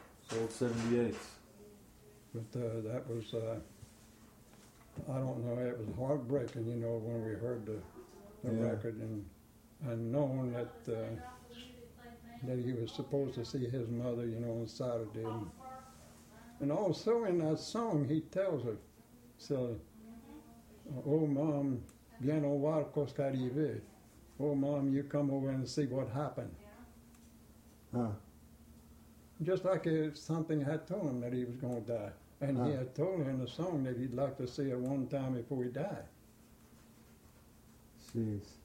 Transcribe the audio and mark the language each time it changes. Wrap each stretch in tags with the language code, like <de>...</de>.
<en>So it's 78. But that was... I don't know, it was heartbreaking, you know, when we heard the record and knowing that that he was supposed to see his mother, you know, on Saturday. And also in that song, he tells her, so, oh, Mom,</en> <fr>viens au voir qu'est-ce qu'arrivé.</fr> <en>Oh, Mom, you come over and see what happened. Huh. Just like if something had told him that he was going to die. And he had told him in the song that he'd like to see her one time before he died. Jeez.</en>